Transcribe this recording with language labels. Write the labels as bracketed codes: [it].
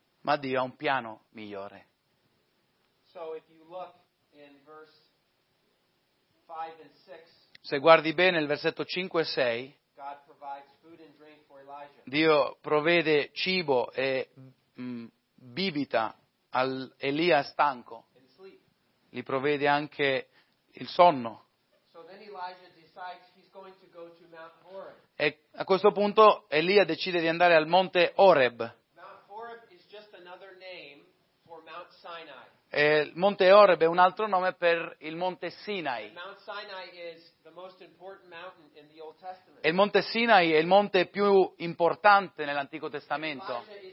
[it] Ma Dio ha un piano migliore. [en] So if you look in verse 5 and 6, [it] se guardi bene il versetto 5 e 6, [en] God provides food and drink for Elijah. [it] Dio provvede cibo e bibita al Elia stanco. Gli provvede anche il sonno. [en] So then Elijah decides he's going to go to Mount Horeb. [it] E a questo punto Elia decide di andare al monte Horeb. [en] Mount Horeb is just another name for Mount Sinai. [it] E il monte Horeb è un altro nome per il monte Sinai. [en] Mount Sinai is the most important mountain in the Old Testament. [it] E il monte Sinai è il monte più importante nell'Antico Testamento.